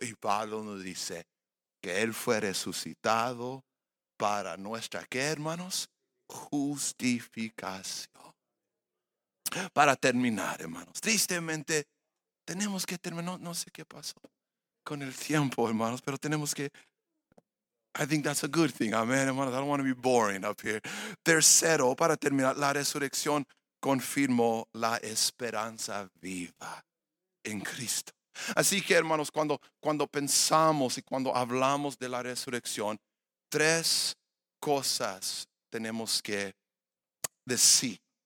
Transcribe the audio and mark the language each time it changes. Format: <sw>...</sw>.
<es>Y Pablo nos dice que Él fue resucitado para nuestra, ¿qué hermanos? Justificación. Para terminar, hermanos. Tristemente, tenemos que terminar. No sé qué pasó con el tiempo, hermanos, pero tenemos que.</es> <en>I think that's a good thing.</en> <es>Amén, hermanos.</es> <en>I don't want to be boring up here.</en> <es>Tercero, para terminar, la resurrección confirmó la esperanza viva en Cristo. Así que, hermanos, cuando pensamos y cuando hablamos de la resurrección, tres cosas tenemos que decir.</es>